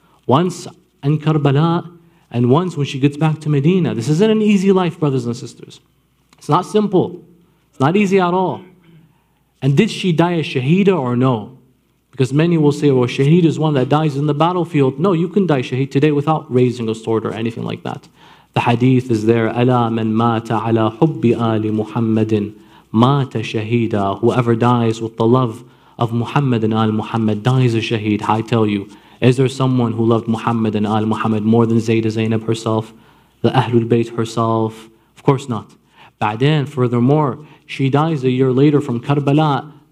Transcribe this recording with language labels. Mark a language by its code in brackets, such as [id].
[en] Once in Karbala, and once when she gets back to Medina. This isn't an easy life, brothers and sisters. It's not simple. It's not easy at all. And did she die a shaheeda or no? Because many will say, well, shaheed is one that dies in the battlefield. No, you can die shaheed today without raising a sword or anything like that. The hadith is there, [ar] أَلَا مَنْ مَاتَ عَلَىٰ حُبِّ آلِ مُحَمَّدٍ مَاتَ شَهِيدًا. [en] Whoever dies with the love of Muhammad and Al Muhammad dies a shaheed. I tell you, is there someone who loved Muhammad and Al Muhammad more than Zayda Zainab herself? The Ahlul Bayt herself? Of course not. Ba'dan, furthermore, she dies a year later from Karbala.